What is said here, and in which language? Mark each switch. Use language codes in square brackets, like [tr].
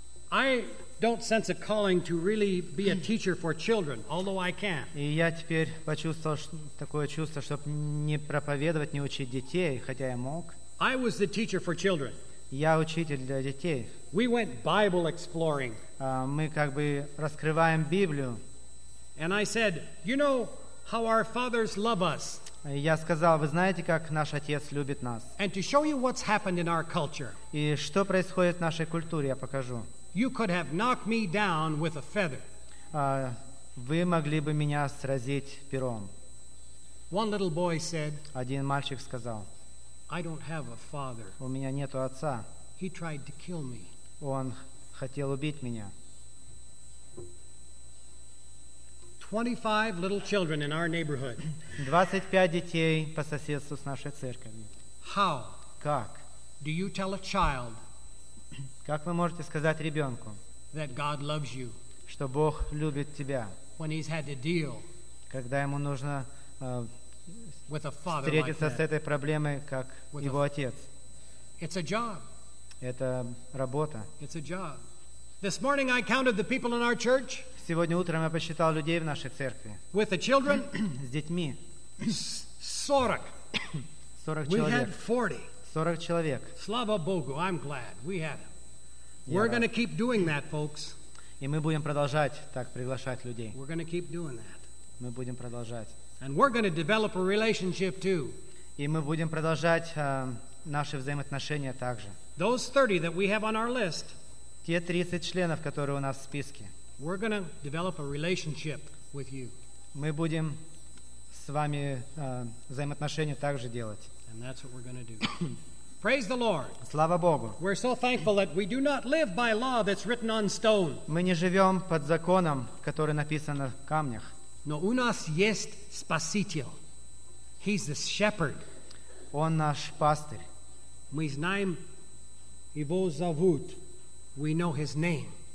[en] I don't sense a calling to really be a teacher for children, although I can. [ru] И я теперь почувствовал такое чувство, чтобы не проповедовать, не учить детей, хотя я мог. [en] I was the teacher for children. [ru] Я учитель для детей. [en] We went Bible exploring. [ru] Мы как бы раскрываем Библию. [en] And I said, "You know how our fathers love us." [ru] Я сказал, вы знаете, как наш отец любит нас. [en] And to show you what's happened in our culture. [ru] И что происходит в нашей культуре, я покажу. [en] You could have knocked me down with a feather. [ru] Вы могли бы меня сразить пером. [en] One little boy said. [ru] Один мальчик сказал. [en] I don't have a father. [ru] У меня нету отца. [en] He tried to kill me. [ru] Он хотел убить меня. [en] 25 little children in our neighborhood. [ru] 25 детей по соседству с нашей церковью. [en] How? [ru] Как? [en] Do you tell a child? [ru] Как вы можете сказать ребенку? [en] That God loves you. [ru] Что Бог любит тебя. [en] When he's had to deal. [ru] Когда ему нужно [en] with a father [ru] встретиться [en] like [ru] с этой проблемой, как with его отец. [en] It's a job. [ru] Это работа. [en] It's a job. This morning I counted the people in our church. [ru] Сегодня утром я посчитал людей в нашей церкви. [en] With the children. [ru] С детьми. [en] 40. [ru] 40 человек. [en] We had 40. [ru] 40 человек. Слава Богу, [en] I'm glad we had them. We're going to keep doing that, folks. [ru] И мы будем продолжать так приглашать людей. [en] We're going to keep doing that. [ru] Мы будем продолжать. [en] And we're going to develop a relationship too. [ru] И мы будем продолжать наши взаимоотношения также. [en] Those 30 that we have on our list. [ru] Те 30 членов, которые у нас в списке. [en] We're going to develop a relationship with you. [ru] Мы будем с вами взаимоотношения также делать. [en] And that's what we're going to do. Praise the Lord. [ru] Слава Богу. [en] We're so thankful that we do not live by law that's written on stone. [ru] Мы не живем под законом, который написан на камнях. Но у нас есть Спаситель. [en] He's the shepherd. [ru] Он наш пастырь. Мы знаем его зовут. [en] We know his name.